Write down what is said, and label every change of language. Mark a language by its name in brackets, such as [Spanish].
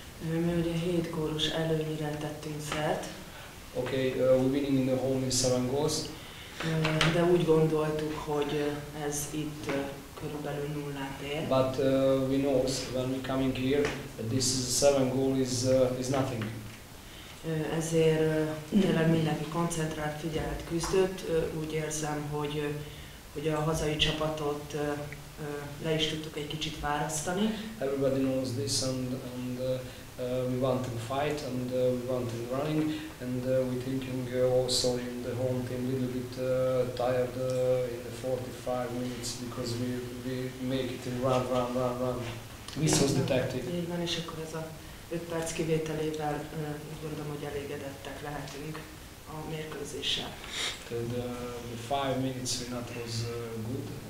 [Hungarian] Mi ugye 7 gólos előnyre tettünk szert. [English] Okay, we're winning in the home in 7 goals. [Hungarian] De úgy gondoltuk, hogy ez itt körülbelül nullát ér. [English] But we know when we coming here that this is 7 goal is nothing. [Hungarian] Ezért tényleg mindenki koncentrált, figyelt, küzdött. Úgy érzem, hogy a hazai csapatot le is tudtuk egy kicsit választani. [English] Everybody knows this, and we want to fight, and we want to running, and we thinking also in the home team a little bit tired in the 45 minutes because we make it run. This was the tactic. [Hungarian] Így van, és akkor ez a 5 perc kivételével úgy gondolom, hogy elégedettek lehetünk a mérkőzéssel. [English] The 5 minutes we not was good.